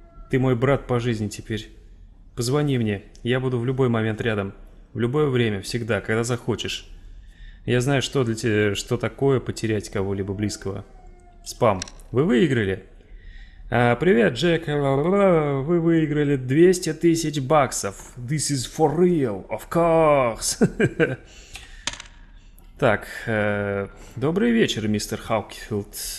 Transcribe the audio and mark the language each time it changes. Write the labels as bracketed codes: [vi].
[ru] Ты мой брат по жизни теперь. Позвони мне, я буду в любой момент рядом. В любое время, всегда, когда захочешь. Я знаю, что для тебя, что такое потерять кого-либо близкого. Спам. Вы выиграли? Привет, Джек. Вы выиграли 200 тысяч баксов. [en] This is for real, of course. [ru] Так, добрый вечер, мистер Хаукфилд.